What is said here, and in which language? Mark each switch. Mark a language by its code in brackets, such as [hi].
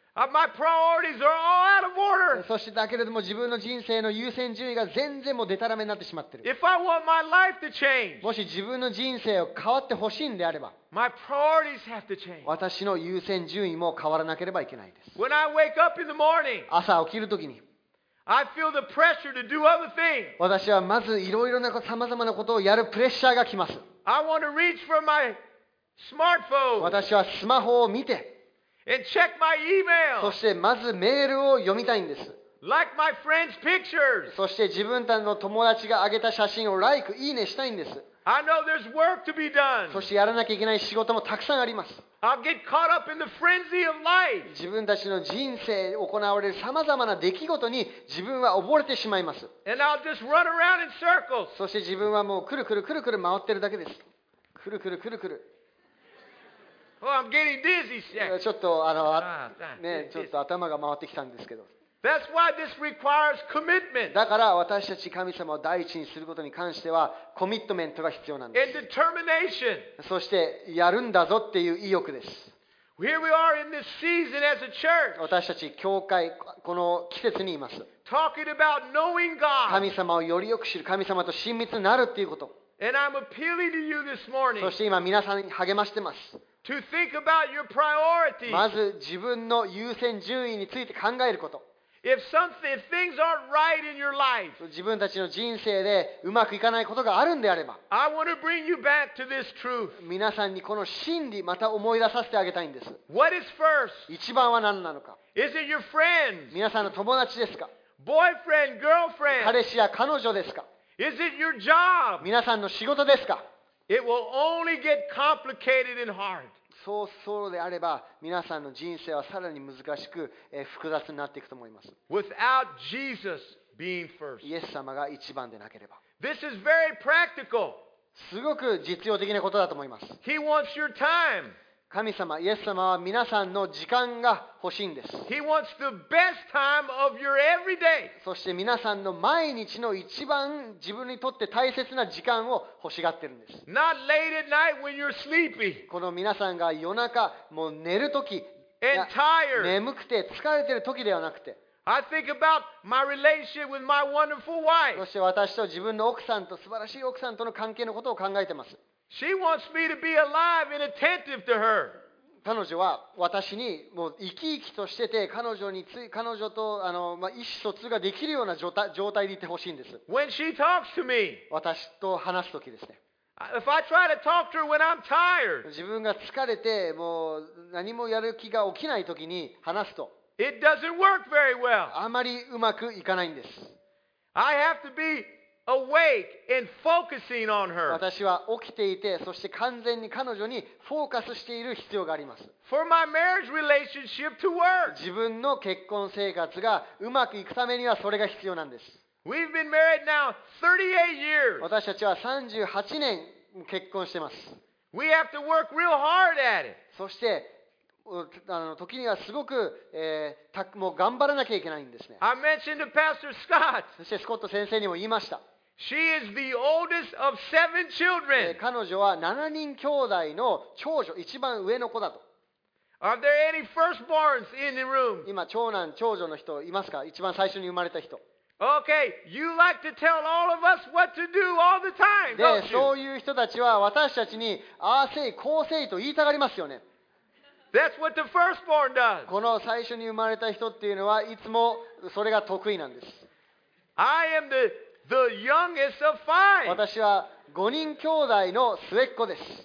[en] My priorities are all out of order. [ja] そしてだけれども自分の人生の優先順位が全然もうデタラメになってしまってる。 [en] If I want my life to change, [ja] もし自分の人生を変わってほしいんであれば、 [en] my priorities have to change. [ja] 私の優先順位も変わらなければいけないです。 [en] When I wake up in the morning, [ja] 朝起きるときに、 [en] I feel the pressure to do other things. [ja] 私はまずいろいろなさまざまなことをやるプレッシャーがきます。 [en] I want to reach for my smartphone. [ja] 私はスマホを見て、 [en] And check my email. [ja] そしてまずメールを読みたいんです。 [en] Like my friend's pictures. [ja] そして自分たちの友達が上げた写真をLike、いいねしたいんです。 [en] I know there's work to be done. [ja] そしてやらなきゃいけない仕事もたくさんあります。 [en] I'll get caught up in the frenzy of life. [ja] 自分たちの人生で行われるさまざまな出来事に自分は溺れてしまいます。 [en] And I'll just run around in circles. [ja] そして自分はもうくるくるくるくる回ってるだけです。くるくるくるくる。 [en] Oh, I'm getting dizzy. [ja] ちょっとね、ちょっと頭が回ってきたんですけど。 [en] That's why this requires commitment. [ja] だから私たち神様を第一にすることに関してはコミットメントが必要なんです。 [en] And determination. [ja] そしてやるんだぞっていう意欲です。 [en] Here we are in this season as a church. [ja] 私たち教会この季節にいます。 [en] Talking about knowing God. [ja] 神様をよりよく知る、神様と親密になるっていうこと。 [en] And I'm appealing to you this morning. [ja] そして今皆さんに励ましてます。 [en] To think about your priorities. [ja] まず自分の優先順位について考えること。 [en] If something, if things aren't right in your life, [ja] 自分たちの人生でうまくいかないことがあるんであれば、 [en] I want to bring you back to this truth. [ja] 皆さんにこの真理また思い出させてあげたいんです。 [en] What is first? [ja] 一番は何なのか。 [en] Is it your friends? [ja] 皆さんの友達ですか。 [en] Boyfriend, girlfriend. [ja] 彼氏や彼女ですか。 [en] Is it your job? [ja] 皆さんの仕事ですか。 [en] It will only get complicated and hard. [ja] そうそうであれば、皆さんの人生はさらに難しく、複雑になっていくと思います。 [en] Without Jesus being first. [ja] イエス様が一番でなければ。 [en] This is very practical. [ja] すごく実用的なことだと思います。 [en] He wants your time. [ja] 神様、イエス様は皆さんの時間が欲しいんです。 [en] He wants the best time of your everyday. [ja] そして皆さんの毎日の一番自分にとって大切な時間を欲しがってるんです。 [en] Not late at night when you're sleepy. [ja] この皆さんが夜中もう寝るとき、 [en] And tired. [ja] 眠くて疲れてるときではなくて、 [en] I think about my relationship with my wonderful wife. [ja] そして私と自分の奥さんと素晴らしい奥さんとの関係のことを考えてます。 [en] She wants me to be alive and attentive to her. [ja] 彼女は私にもう生き生きとしてて彼女につ彼女とまあ、意思疎通ができるような状態でいてほしいんです。 [en] When she talks to me. [ja] 私と話すときですね。 [en] If I try to talk to her when I'm tired. [ja] 自分が疲れてもう何もやる気が起きないときに話すと。 [en] It doesn't work very well. [ja] あまりうまくいかないんです。 [en] I have to be awake and focusing on her. [ja] 私は起きていて、そして完全に彼女にフォーカスしている必要があります。 [en] For my marriage relationship to work. [ja] 自分の結婚生活がうまくいくためにはそれが必要なんです。 [en] We've been married now 38 years. [ja] 私たちは38年結婚してます。 [en] We have to work real hard at it. [ja] そして時にはすごく、もう頑張らなきゃいけないんですね。 [en] I mentioned to Pastor Scott. [ja] そしてスコット先生にも言いました。 [en] She is the oldest of seven children. [ja] 彼女は7人兄弟の長女、一番上の子だと。 [en] Are there any firstborns in the room? [ja] 今、長男、長女の人いますか？一番最初に生まれた人。 [en] Okay, you like to tell all of us what to do all the time, don't you? [ja] で、そういう人たちは私たちに、ああせい、こうせいと言いたがりますよね。 [en] That's what the firstborn does. [ja] この最初に生まれた人っていうのはいつもそれが得意なんです。 [en] I am the youngest of five. [ja] 私は5人兄弟の末っ子です。